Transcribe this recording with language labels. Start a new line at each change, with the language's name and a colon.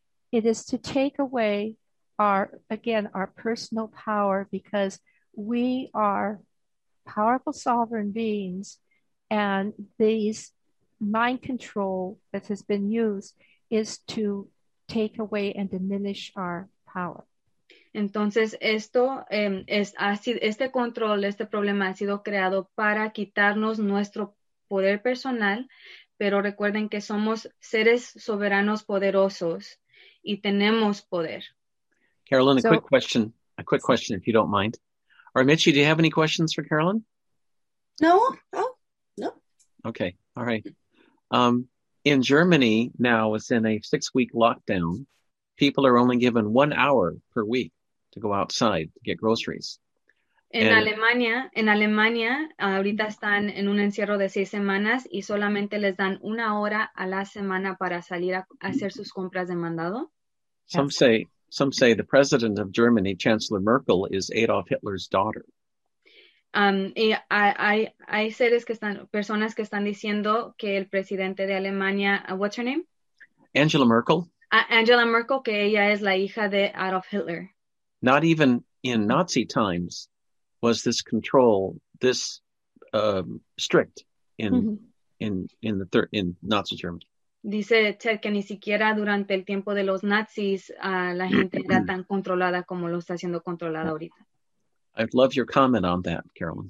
English: It is to take away our personal power because we are powerful sovereign beings and these mind control that has been used is to take away and diminish our power.
Spanish: Entonces esto este control, este problema ha sido creado para quitarnos nuestro poder personal, pero recuerden que somos seres soberanos poderosos y tenemos poder.
English: Carolyn, a quick question if you don't mind. Or Mitchie, do you have any questions for Carolyn? No. Okay, all right. In Germany now, it's in a 6-week lockdown. People are only given 1 hour per week to go outside to get groceries.
Spanish: En Alemania, ahorita están en un encierro de 6 semanas y solamente les dan 1 hora a la semana para salir a hacer sus compras de mandado.
English: Some say the president of Germany, Chancellor Merkel, is Adolf Hitler's daughter.
Spanish: Y hay seres que están, personas que están diciendo que el presidente de Alemania,
English: what's her name? Angela Merkel.
Spanish: Angela Merkel, que ella es la hija de Adolf Hitler.
English: Not even in Nazi times was this control this strict in Nazi Germany.
Spanish: Dice Ted que ni siquiera durante el tiempo de los nazis la gente era tan controlada como lo está siendo controlada ahorita.
English: I'd love your comment on that, Carolyn.